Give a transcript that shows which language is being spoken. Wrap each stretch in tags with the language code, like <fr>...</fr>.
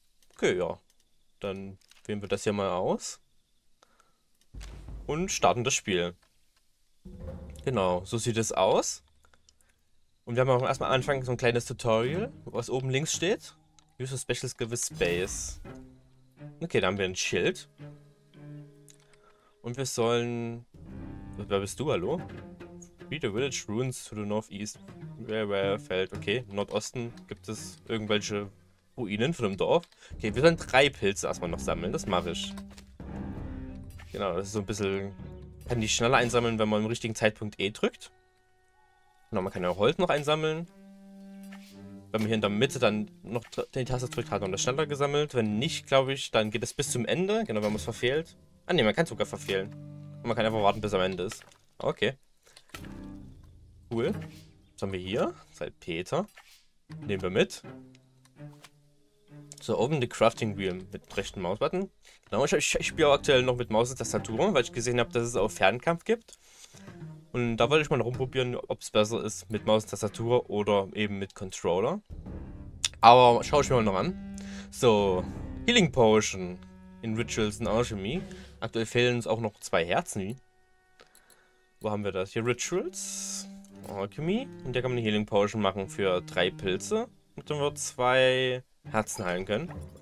<de>Okay, ja. Dann wählen wir das hier mal aus. Und starten das Spiel. Genau, so sieht es aus. Und wir haben auch erstmal anfangen so ein kleines Tutorial, was oben links steht.</de> <en>Use a special skill with space.</en> <de>Okay, da haben wir ein Schild. Und wir sollen. Wer bist du? Hallo?</de> <en>Read the village ruins to the northeast. Where fällt.</en> <de>Okay, im Nordosten gibt es irgendwelche Ruinen von einem Dorf. Okay, wir sollen drei Pilze erstmal noch sammeln. Das mache ich. Genau, das ist so ein bisschen. Kann die schneller einsammeln, wenn man im richtigen Zeitpunkt E drückt. Genau, man kann ja auch Holz noch einsammeln. Wenn man hier in der Mitte dann noch den Taste drückt, hat man das schneller gesammelt. Wenn nicht, glaube ich, dann geht es bis zum Ende. Genau, wenn man es verfehlt. Ah, ne, man kann sogar verfehlen. Und man kann einfach warten, bis am Ende ist. Okay. Cool. Was haben wir hier? Salpeter. Nehmen wir mit. So,</de> <en>open the crafting wheel</en> <de>mit dem rechten Mausbutton. Genau, ich spiele aktuell noch mit Maus und Tastatur, weil ich gesehen habe, dass es auch Fernkampf gibt. Und da wollte ich mal rumprobieren, ob es besser ist mit Maus und Tastatur oder eben mit Controller. Aber schaue ich mir mal noch an.</de> <en>So, Healing Potion in Rituals and Alchemy.</en> <de>Aktuell fehlen uns auch noch zwei Herzen. Wo haben wir das? Hier Rituals, Alchemy. Und da kann man eine Healing Potion machen für drei Pilze. Und dann wird zwei Herzen heilen können.</de>